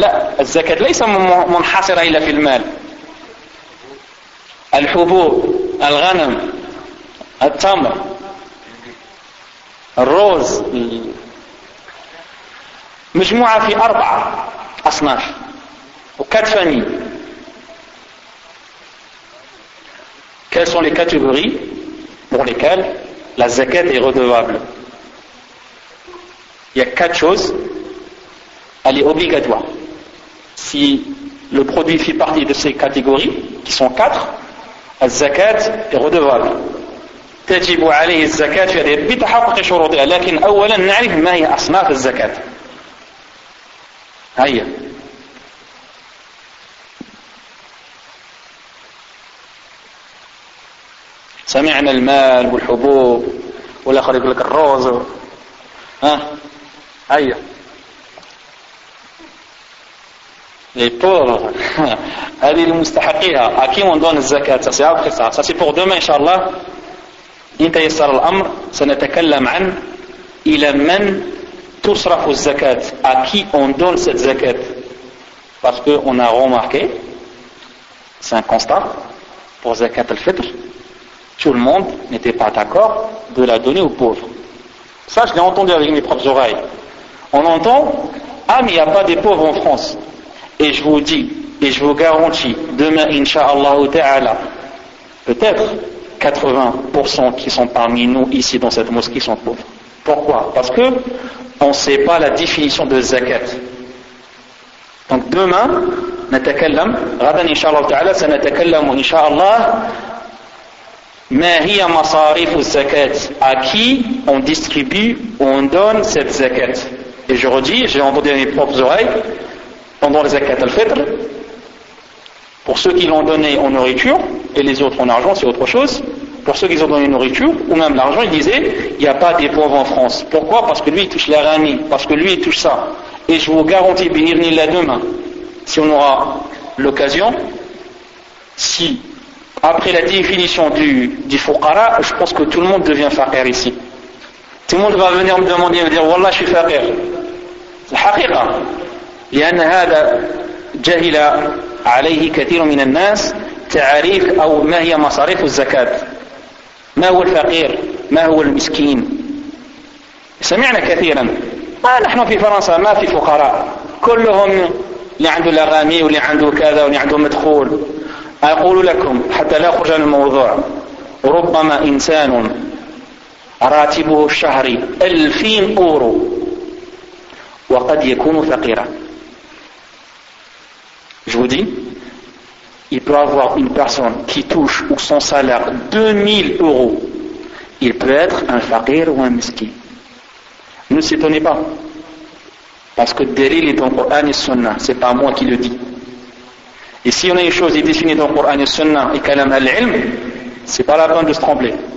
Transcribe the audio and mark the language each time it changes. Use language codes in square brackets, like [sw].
[ar] لا، الزكاة ليس منحصرة إلا في المال، الحبوب، الغنم، التمر، الروز، مجموعة في أربعة أصناف وكتفني. [fr] Quelles sont les catégories pour lesquelles la zakat est redevable? Il y a quatre choses. Elle est obligatoire. Si le produit fait partie de ces catégories, qui sont quatre, la zakat est redevable. [ar] تجب عليه الزكاة بتحقق شروطها، لكن أولا نعرف ما هي أصناف الزكاة. هيا. سمعنا المال والحبوب والآخر يقول لك الروز، هيا. [fr] Les pauvres, [ar] هذه المستحقيها. [fr] À qui on donne la zakat? Ça c'est après ça. Ça c'est pour demain, inshallah. [ar] إن تيسر الأمر سنتكلم عن إلى من تصرف الزكاة، [fr] à qui on donne cette zakat. Parce que on a remarqué, c'est un constat pour zakat al-fitr, tout le monde n'était pas d'accord de la donner aux pauvres. Ça je l'ai entendu avec mes propres oreilles. On entend, ah mais il n'y a pas des pauvres en France. Et je vous dis et je vous garantis, demain inshallah ta'ala, peut-être 80% qui sont parmi nous ici dans cette mosquée sont pauvres. Pourquoi? Parce que on ne sait pas la définition de zakat. Donc demain, [ar] نتكلم غدا إن شاء الله تعالى سنتكلم إن شاء الله ما هي مصاريف الزكاة. [fr] À qui on distribue, on donne cette zakat. Et je redis, j'ai entendu à mes propres oreilles pendant le zakat al-fitr. Pour ceux qui l'ont donné en nourriture et les autres en argent, c'est autre chose. Pour ceux qui ont donné nourriture ou même l'argent, il disait, il n'y a pas des pauvres en France. Pourquoi? Parce que lui, il touche la rani, parce que lui, il touche ça. Et je vous garantis, bi'idhnillah, demain, si on aura l'occasion, si Après la définition du fuqara, je pense que tout le monde devient faqir ici. Tout le monde va venir me demander, me dire, wallah, je suis faqir. La haqiqa. [ar] لأن هذا جهل عليه كثير من الناس تعريف أو ما هي مصاريف الزكاة ما هو الفقير ما هو المسكين سمعنا كثيرا ما نحن في فرنسا ما في فقراء كلهم اللي عنده الأغاني واللي عنده كذا واللي عنده مدخول أقول لكم حتى لا أخرج عن الموضوع ربما إنسان راتبه الشهري 2000 أورو وقد يكون فقيرا. [fr] Je vous dis, il peut avoir une personne qui touche ou son salaire 2000 euros. Il peut être un faqir ou un miskin. Ne s'étonnez pas. Parce que Dalil est dans le Coran et le Sunnah. Ce n'est pas moi qui le dis. Et si on a une chose est définie dans le Coran et le Sunnah et Kalam al-Ilm, ce n'est pas la peine de se trembler.